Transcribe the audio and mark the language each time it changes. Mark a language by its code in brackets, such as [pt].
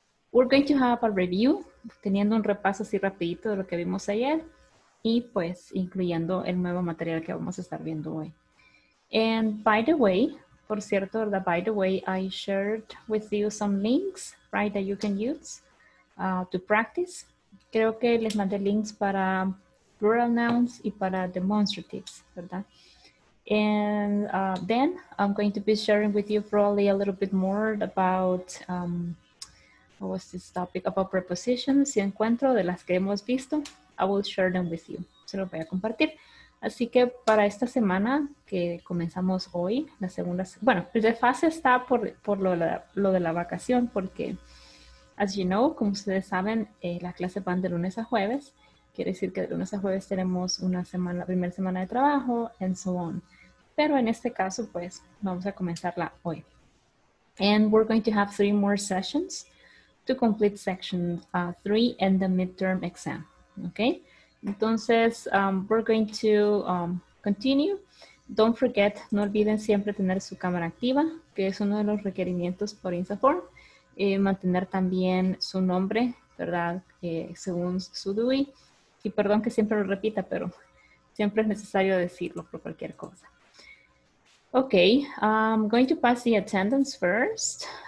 [en] We're going to have a review, [es] teniendo un repaso así rapidito de lo que vimos ayer y pues incluyendo el nuevo material que vamos a estar viendo hoy. [en] And by the way, [es] por cierto, ¿verdad? [en] By the way, I shared with you some links, right, that you can use to practice. [es] Creo que les mandé links para plural nouns y para demonstratives, ¿verdad? [en] And then I'm going to be sharing with you probably a little bit more about, what was this topic, about prepositions [es] y encuentro de las que hemos visto. [en] I will share them with you. [es] Se los voy a compartir. Así que para esta semana que comenzamos hoy, la segunda, bueno, el desfase está por lo de la vacación, porque, [en] as you know, [es] como ustedes saben, las clases van de lunes a jueves. Quiere decir que de lunes a jueves tenemos una semana, la primera semana de trabajo, [en] and so on. [es] Pero en este caso, pues, vamos a comenzarla hoy. [en] And we're going to have three more sessions to complete section three and the midterm exam, okay? [es] Entonces, [en] we're going to continue. Don't forget, [es] no olviden siempre tener su cámara activa, que es uno de los requerimientos por INSAFORP. Mantener también su nombre, ¿verdad? Según su DUI. Y perdón que siempre lo repita, pero siempre es necesario decirlo por cualquier cosa. [en] Okay, I'm going to pass the attendance first.